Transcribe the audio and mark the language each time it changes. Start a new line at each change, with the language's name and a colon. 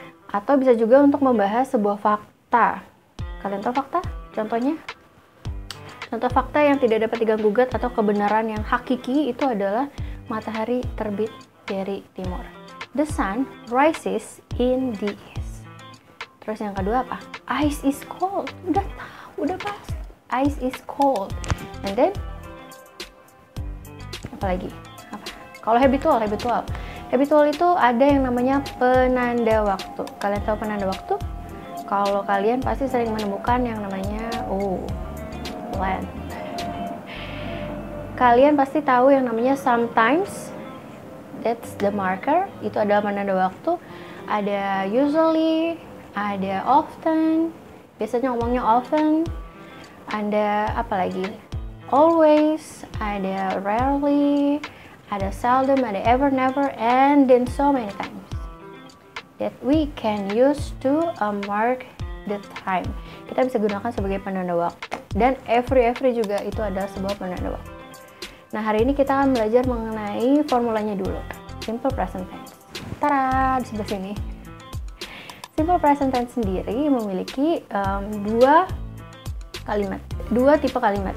Indonesian: Atau bisa juga untuk membahas sebuah fakta. Kalian tahu fakta? Contohnya, contoh fakta yang tidak dapat diganggu-gugat atau kebenaran yang hakiki itu adalah matahari terbit dari timur.
English: The sun rises in the east.
Indonesian: Terus yang kedua apa?
English: Ice is cold.
Indonesian: Udah tahu, udah pas.
English: Ice is cold. And then,
Indonesian: apa lagi? Apa? Kalau habitual. Habitual itu ada yang namanya penanda waktu. Kalian tahu penanda waktu? Kalau kalian pasti sering menemukan yang namanya when. Kalian pasti tahu yang namanya sometimes,
English: that's the marker,
Indonesian: itu adalah penanda waktu. Ada usually, ada often, biasanya ngomongnya often. Ada apa lagi?
English: Always, ada rarely, ada seldom, ada ever, never, and then so many times that we can use to mark the time.
Indonesian: Kita bisa gunakan sebagai penanda waktu. Dan every juga itu adalah sebuah penanda waktu. Nah, hari ini kita akan belajar mengenai formulanya dulu. Simple present tense. Tara, di sebelah sini. Simple present tense sendiri memiliki dua kalimat. Dua tipe kalimat.